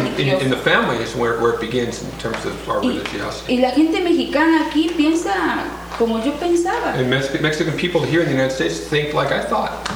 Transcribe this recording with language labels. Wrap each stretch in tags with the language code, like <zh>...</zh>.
<en>in the family is where it begins in terms of our religiosity.</en> <es>Y la gente mexicana aquí piensa como yo pensaba.</es> <en>And Mexican people here in the United States think like I thought.</en>